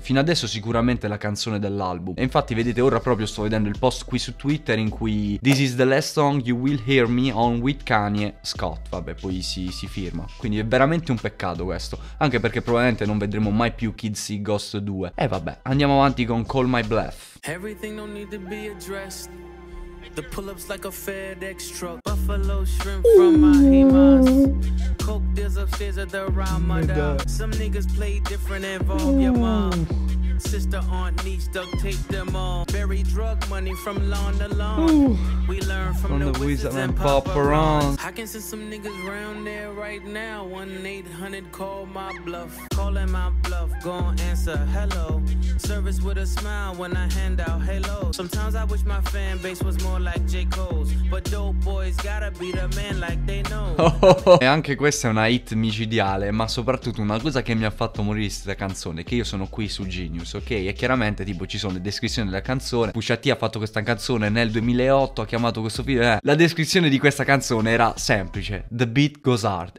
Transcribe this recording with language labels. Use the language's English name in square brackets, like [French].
[Italian] Fino adesso sicuramente la canzone dell'album, e infatti vedete, ora proprio sto vedendo il post qui su Twitter in cui [English] "This is the last song you will hear me on with Kanye Scott", [Italian] vabbè, poi si firma. Quindi è veramente un peccato questo, anche perché probabilmente non vedremo mai più Kid Cudi Ghost 2. E vabbè, andiamo avanti con Call My Bluff. [English] Everything don't need to be addressed. The pull-ups like a FedEx truck. Buffalo shrimp from my Hemas. Coke deals upstairs at the Ramadan. Some niggas play different and involve your mom. Sister, aunt, niece, duct tape them all. Bury drug money from lawn to lawn. Ooh. We learn from the wizards and paparazzi. I can see some niggas round there right now. 1-800, call my bluff. Calling my bluff, gon' answer hello. Service with a smile when I hand out hello. Sometimes I wish my fan base was more like J. Cole's. But dope boys gotta be the man like they know. [Italian] E anche questa è una hit micidiale, ma soprattutto una cosa che mi ha fatto morire questa canzone, che io sono qui su Genius. Ok, e chiaramente tipo ci sono le descrizioni della canzone. Pusha T ha fatto questa canzone nel 2008, ha chiamato questo film. La descrizione di questa canzone era semplice: [English] "The beat goes hard".